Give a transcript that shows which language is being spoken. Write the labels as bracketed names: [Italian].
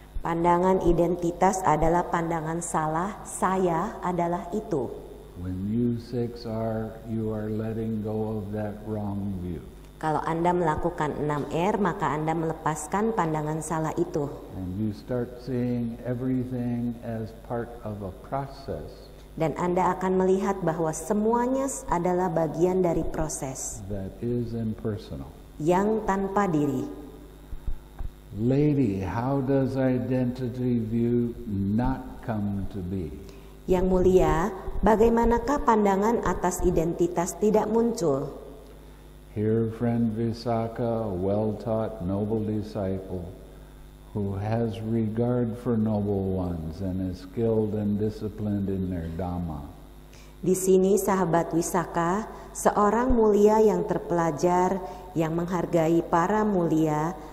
[Indonesian] Pandangan identitas adalah pandangan salah. Saya adalah itu. [English] When you six are, you are letting go of that wrong view. [Indonesian] Kalau Anda melakukan 6R, maka Anda melepaskan pandangan salah itu. [English] And you start seeing everything as part of a process. [Indonesian] Dan Anda akan melihat bahwa semuanya adalah bagian dari proses. [English] That is impersonal. [Indonesian] Yang tanpa diri. [English] Lady, how does identity view not come to be? [Indonesian] Yang mulia, bagaimanakah pandangan atas identitas tidak muncul? [English] Here, friend Visakha, a well-taught noble disciple who has regard for noble ones and is skilled and disciplined in their dhamma. [Indonesian] Di sini, sahabat Visakha, seorang mulia yang terpelajar, yang menghargai para mulia,